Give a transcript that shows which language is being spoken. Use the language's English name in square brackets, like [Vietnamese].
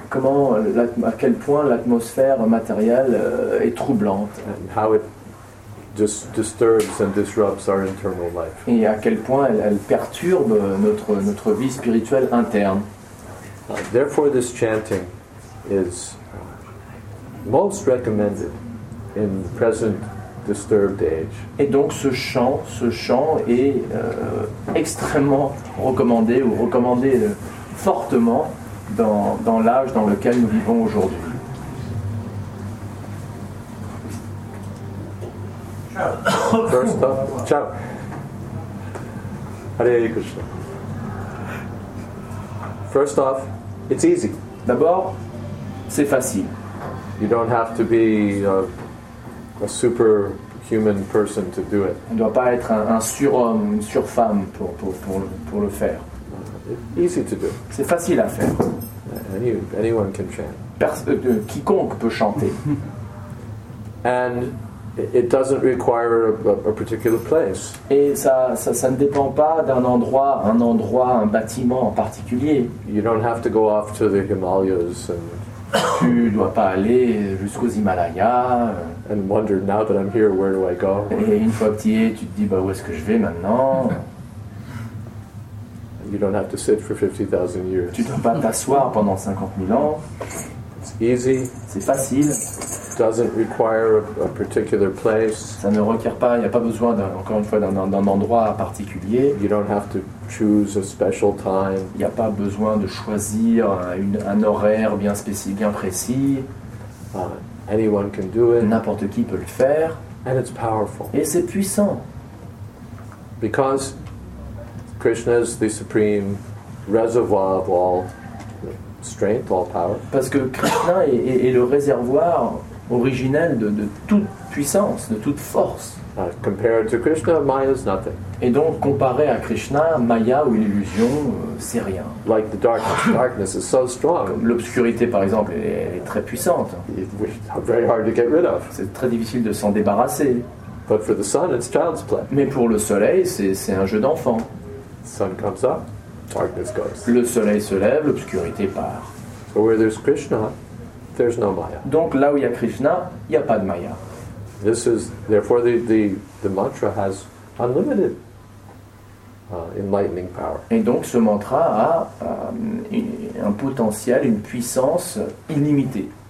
[French] Comment, à quel point l'atmosphère matérielle est troublante. [English] And how it just disturbs and disrupts our internal life. [French] Et à quel point elle perturbe notre vie spirituelle interne. [English] Therefore, this chanting is most recommended in the present disturbed age. [French] Et donc ce chant est extrêmement recommandé fortement dans l'âge dans lequel nous vivons aujourd'hui. [English] First up, ciao. Hare Krishna. First off, it's easy. [French] D'abord, c'est facile. [English] You don't have to be a super human person to do it. [French] On ne doit pas être un surhomme, une surfemme pour le faire. [English] Easy to do. [French] C'est facile à faire. [English] Anyone can chant. [French] Quiconque peut chanter. [English] And it doesn't require a particular place. [French] Et ça ne dépend pas d'un endroit, un bâtiment en particulier. [English] You don't have to go off to the Himalayas. [French] Tu ne dois pas aller jusqu'aux Himalayas. [English] And wonder, now that I'm here, where do I go? [French] Et une fois que tu y es, tu te dis, où est-ce que je vais maintenant? [English] You don't have to sit for 50,000 years. [French] Tu ne dois pas t'asseoir pendant 50 000 ans. [English] It's easy. [French] C'est facile. [English] Doesn't require a particular place. [French] Ça ne requiert pas, il n'y a pas besoin d'un endroit particulier. [English] You don't have to choose a special time. [French] Il n'y a pas besoin de choisir un horaire bien spécifique, bien précis. [English] Anyone can do it. [French] N'importe qui peut le faire. [English] And it's powerful. [French] Et c'est puissant. [English] Because Krishna is the supreme reservoir of all strength, all power. [French] Parce que Krishna est le réservoir originel de toute puissance, de toute force. [English] Compared to Krishna, Maya is nothing. [French] Et donc comparé à Krishna, Maya ou l'illusion, c'est rien. [English] Like the darkness. Darkness is so strong. [French] Comme l'obscurité, par exemple, est très puissante. [English] It's very hard to get rid of. [French] C'est très difficile de s'en débarrasser. [English] But for the sun, it's child's play. [French] Mais pour le soleil, c'est un jeu d'enfant. [English] Sun comes up, darkness goes. [French] Le soleil se lève, l'obscurité part. [English] So where there's Krishna, there's no Maya. [French] Donc là où il y a Krishna, il n'y a pas de Maya. [English] This is therefore the mantra has unlimited enlightening power. [French] Et donc ce mantra a un potentiel, une puissance illimitée.